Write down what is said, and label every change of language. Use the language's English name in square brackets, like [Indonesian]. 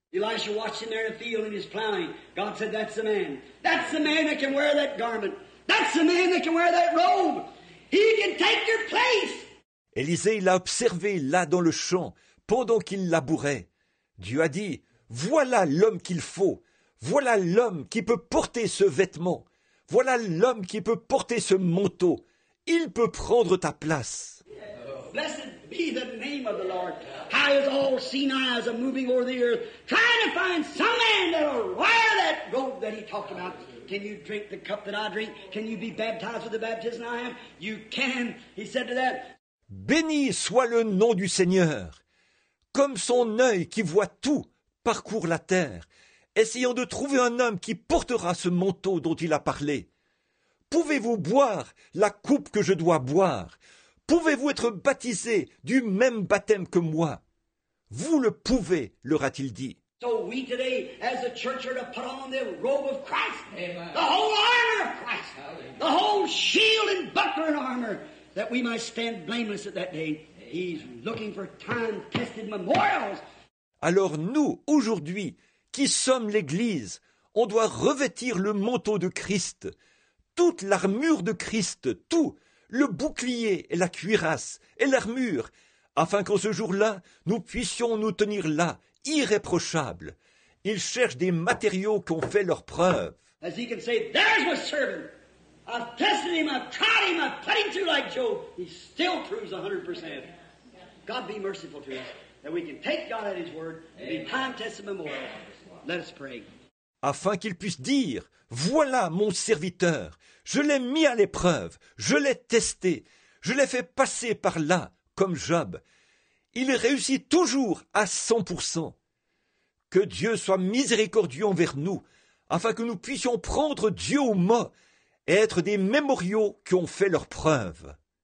[English] Elisha watched him there in the field in his plowing. God said, that's the man. That's the man that can wear that garment. That's the man that can wear that robe. He can take your place. [French] Élisée l'a observé là dans le champ, pendant qu'il labourait. Dieu a dit, voilà l'homme qu'il faut. Voilà l'homme qui peut porter ce vêtement. Voilà l'homme qui peut porter ce manteau. Il peut prendre ta place. [English] Blessed be the name of the Lord. High as all seen eyes are moving over the earth, trying to find some man that will wear that robe that he talked about. Can you drink the cup that I drink? Can you be baptized with the baptism I am? You can, he said to that. [French] Béni soit le nom du Seigneur. Comme son œil qui voit tout parcourt la terre, essayant de trouver un homme qui portera ce manteau dont il a parlé. Pouvez-vous boire la coupe que je dois boire? Pouvez-vous être baptisé du même baptême que moi? Vous le pouvez, leur a-t-il dit. [English] So we today, as a church, are to put on the robe of Christ, the whole armor of Christ, the whole shield and buckler and armor, that we might stand blameless at that day. He's looking for time-tested memorials. [French] Alors nous, aujourd'hui, qui sommes l'Église, on doit revêtir le manteau de Christ. Toute l'armure de Christ, tout, le bouclier et la cuirasse et l'armure, afin qu'en ce jour-là, nous puissions nous tenir là, irréprochables. Ils cherchent des matériaux qui ont fait leur preuve. [English] As he can say, there's my servant. I've tested him, I've tried him, I've put him through like Job. He still proves 100%. God be merciful to us, that we can take God at his word and be time-tested memorial. Let us pray. [French] Afin qu'il puisse dire, voilà mon serviteur, je l'ai mis à l'épreuve, je l'ai testé, je l'ai fait passer par là, comme Job. Il réussit toujours à 100%. Que Dieu soit miséricordieux envers nous, afin que nous puissions prendre Dieu au mot et être des mémoriaux qui ont fait leur preuve.